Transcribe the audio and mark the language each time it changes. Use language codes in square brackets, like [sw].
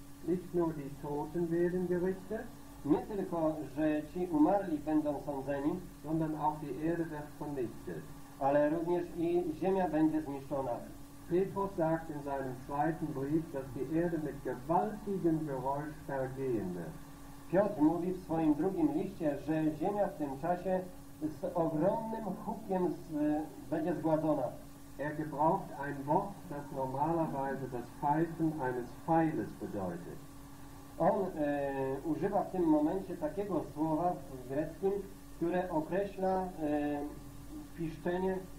[de] Nicht nur die Toten werden gerichtet. [pl] Nie tylko, że ci umarli będą sądzeni, [de] sondern auch die Erde wird vernichtet. [pl] Ale również i ziemia będzie zniszczona. [de] Petrus sagt in seinem zweiten Brief, dass die Erde mit gewaltigem Geräusch vergehen wird. [pl] Piotr mówi w swoim drugim liście, że ziemia w tym czasie z ogromnym hukiem będzie zgładzona. [de] Er gebraucht ein Wort, das normalerweise das Pfeifen eines Pfeiles bedeutet. [pl] On używa w tym momencie takiego słowa w greckim, które określa piszczenie.